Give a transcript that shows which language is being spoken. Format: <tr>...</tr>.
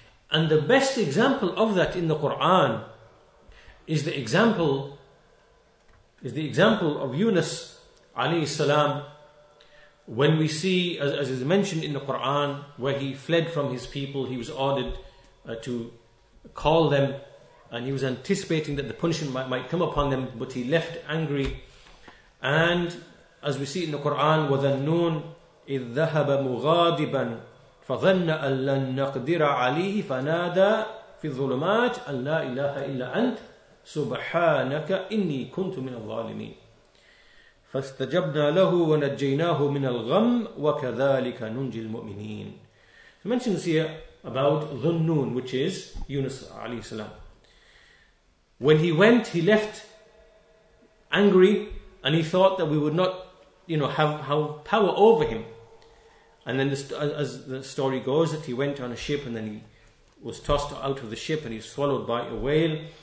<en>And the best example of that in the Quran is the example of Yunus alayhi salam, when we see, as is mentioned in the Quran, where he fled from his people, he was ordered to call them, and he was anticipating that the punishment might come upon them, but he left angry. And as we see in the Quran,</en> <ar>وَذَنُّون إِذْ ذَهَبَ مُغَادِبًا فَظَنَّ أَن لَّن نَّقْدِرَ عَلَيْهِ فَنَادَى فِي الظُّلُمَاتِ أَن لَّا إِلَٰهَ إِلَّا أَنتَ سُبْحَانَكَ إِنِّي كُنتُ مِنَ الظَّالِمِينَ فَاسْتَجَبْنَا لَهُ وَنَجَّيْنَاهُ مِنَ الْغَمِّ وَكَذَلِكَ نُنْجِي الْمُؤْمِنِينَ.</ar> <en>He mentions here about Dhunnun, which is Yunus alayhi salam. When he went, he left angry, and he thought that we would not, you know, have power over him. And then as the story goes, that he went on a ship and then he was tossed out of the ship and he was swallowed by a whale.</en>